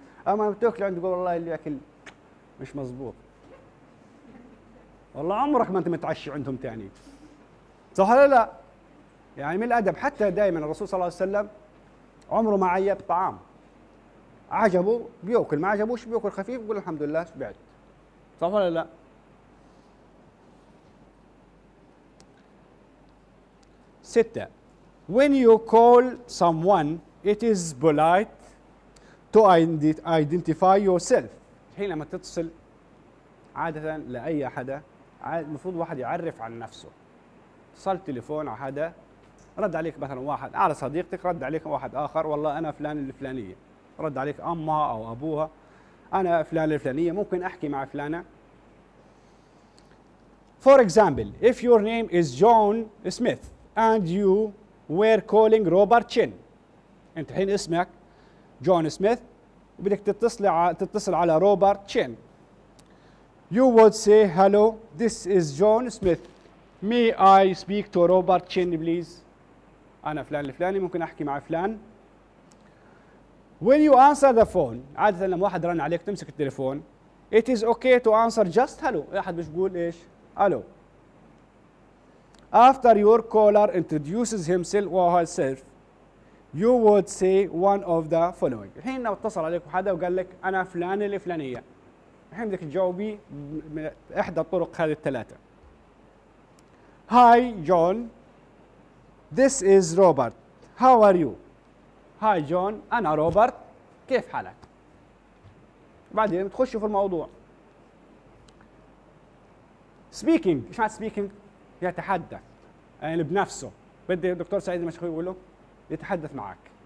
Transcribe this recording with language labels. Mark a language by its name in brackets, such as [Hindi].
[Arabic] أما بتأكل عنده تقول والله الأكل مش مزبوط، والله عمرك ما أنت متعشي عندهم تاني، صح ولا لا؟ يعني من الأدب. حتى دائما الرسول صلى الله عليه وسلم عمره ما عيب طعام، عجبه بيأكل، ما عجبوش بيأكل خفيف، يقول الحمد لله شبعت، صح ولا لا؟ ستة. [English] When you call someone it is polite to identify yourself. [Arabic] حينما تتصل عادة لأي حدا المفروض واحد يعرف عن نفسه. اتصل تليفون على حدا رد عليك مثلا واحد على صديقتك، رد عليك واحد آخر والله أنا فلان الفلانية، رد عليك أمها أو أبوها أنا فلان الفلانية ممكن أحكي مع فلانة. [English] For example, if your name is John Smith and you were calling Robert Chin. [Arabic] انت حين اسمك جون سميث وبدك تتصل على روبرت تشين، [English] you would say hello this is John Smith may I speak to Robert Chin please، [Arabic] انا فلان الفلاني ممكن احكي مع فلان. [English] When you answer the phone، [Arabic] عاده لما واحد رن عليك تمسك التليفون، [English] it is okay to answer just hello، [Arabic] اي احد مش بقول ايش [English] hello. After your caller introduces himself or herself you would say one of the following. [Arabic] الحين لو اتصل عليك حدا وقال لك انا فلان الفلانيه، الحين بدك تجاوبي احدى الطرق هذه الثلاثه. [English] Hi John this is Robert how are you. Hi John [Arabic] انا روبرت كيف حالك. بعدين تخش في الموضوع. Speaking ايش معنى speaking؟ يتحدث يعني بنفسه. بدي الدكتور سعيد المشخوي يقول له يتحدث معك.